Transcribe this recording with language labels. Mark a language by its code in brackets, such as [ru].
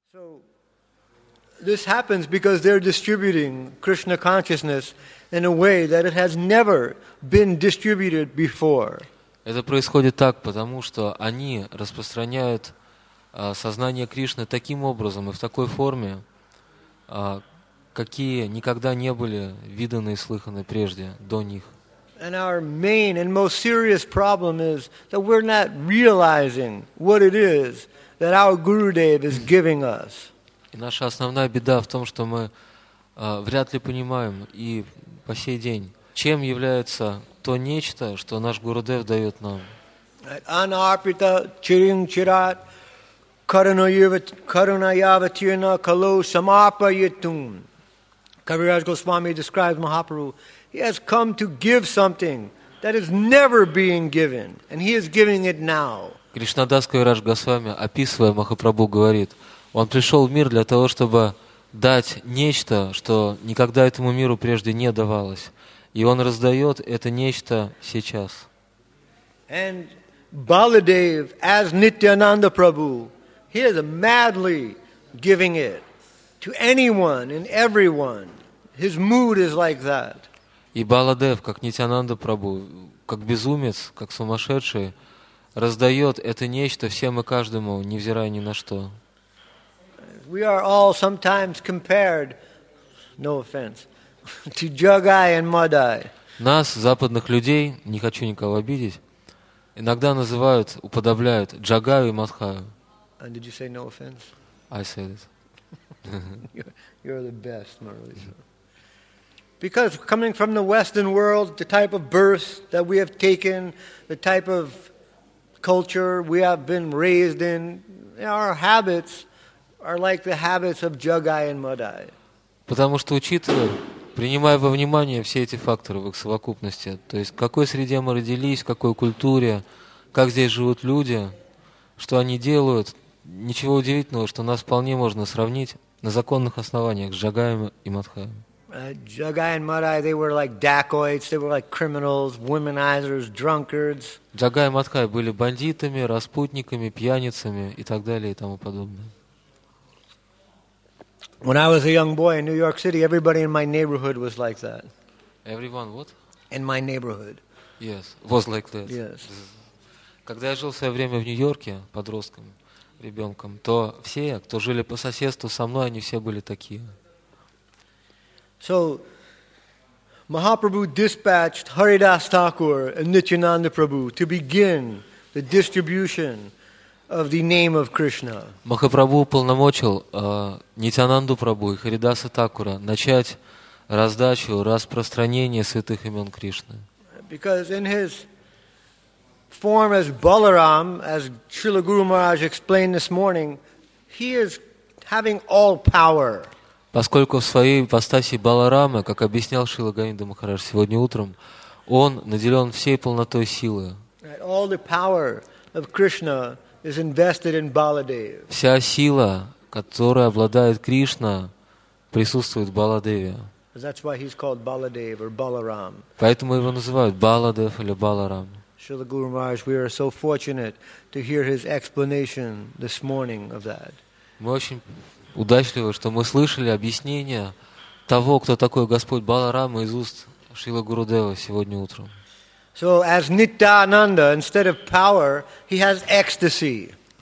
[en] So this happens because they're distributing Krishna consciousness in a way that it has never been distributed before. [ru] Это происходит так, потому что они распространяют сознание Кришны таким образом и в такой форме, какие никогда не были виданы и слыханы прежде, до них. [en] And our main and most serious problem is that we're not realizing what it is that our Gurudev is giving us. [ru] Наша основная беда в том, что мы вряд ли понимаем и по сей день, чем является то нечто, что наш Гурудев дает нам. [sa] Анарпита чирин чират карунаяватирна кало самапайтун. [en] Кавираж Госвами describes Mahaprabhu. He has come to give something that is never being given, and he is giving it now. [ru] Кришнадас Кавираж Госвами, описывая Махапрабху, говорит, он пришел в мир для того, чтобы дать нечто, что никогда этому миру прежде не давалось. И он раздает это нечто сейчас. [en] And Baladev, as Nityananda Prabhu, he is madly giving it to anyone and everyone. His mood is like that. [ru] И Баладев, как Нитянанда Прабху, как безумец, как сумасшедший, раздает это нечто всем и каждому, невзирая ни на что. [en] We are all sometimes compared, no offense, to Jagai and Madai. [ru] Нас, западных людей, не хочу никого обидеть, иногда называют, уподобляют Джагаю и Мадхаю. [en] And did you say no offense? I said it. You're the best, Marulisa. Because coming from the Western world, the type of birth that we have taken, the type of culture we have been raised in, our habits are like the habits of Jagai and Madai. [ru] Потому что учитывая, принимая во внимание все эти факторы в их совокупности, то есть в какой среде мы родились, в какой культуре, как здесь живут люди, что они делают, ничего удивительного, что нас вполне можно сравнить на законных основаниях с Джагаем и Мадхаем. [en] Jagai and Madai, they were like dacoits, they were like criminals, womanizers, drunkards. [ru] Джагай и Мадхай были бандитами, распутниками, пьяницами и так далее и тому подобное. [en] When I was a young boy in New York City, everybody in my neighborhood was like that. Everyone what? In my neighborhood. Yes, was like that. Yes. [ru] Когда я жил в свое время в Нью-Йорке подростком, ребенком, то все, кто жили по соседству со мной, они все были такие. [en] So, Mahaprabhu dispatched Haridas Thakur and Nityananda Prabhu to begin the distribution of the name of Krishna. [ru] Махапрабху уполномочил Нитянанду Прабху и Харидаса Такура начать раздачу, распространение святых имен Кришны. [en] Because in his form as Balaram, as Srila Guru Maharaj explained this morning, he is having all power. [ru] Поскольку в своей ипостаси Баларама, как объяснял Шрила Говинда Махарадж сегодня утром, он наделен всей полнотой силы. [en] All the power of Krishna is invested in Baladev. [ru] Вся сила, которой обладает Кришна, присутствует в Баладеве. [en] That's why he's called Baladev or Balaram. [ru] Поэтому его называют Баладев или Баларам. [en] Srila Guru Maharaj, we are so fortunate to hear his explanation this morning of that. [ru] Мы очень удачливы, что мы слышали объяснение того, кто такой Господь Баларама из уст Шрила Гурудева сегодня утром. [en] So as Nityananda, instead of power, he has ecstasy.